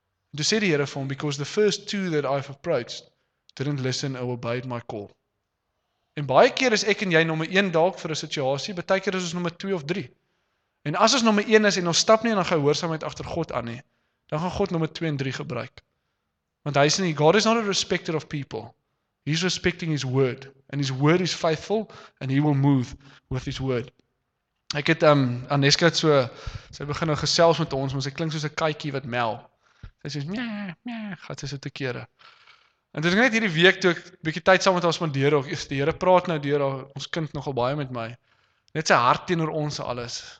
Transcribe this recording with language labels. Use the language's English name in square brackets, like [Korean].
[Afrikaans] En toe sê die Here vir hom, [English] "Because the first two that I've approached didn't listen or obeyed my call." [Afrikaans] En baie keer is ek en jy nommer 1 dalk vir 'n situasie, baie keer is ons nommer 2 of 3. En as ons nommer 1 is en ons stap nie in gehoorsaamheid agter God aan nie, dan gaan God nommer 2 en 3 gebruik. Want hy sê, [English] God is not a respecter of people. He's respecting his word. And his word is faithful and he will move with his word. [Afrikaans] Ek het Aneska het so, sy begin nou gesels met ons, maar sy klink soos 'n katjie wat mel. Sy sê, mjah, mjah, gaat sy so te kere. En dit is net hierdie week toe ek bietjie tyd saam met haar spandeer ook. Die Here praat nou deur haar, ons kind nogal baie met my. Net sy hart teenoor ons alles.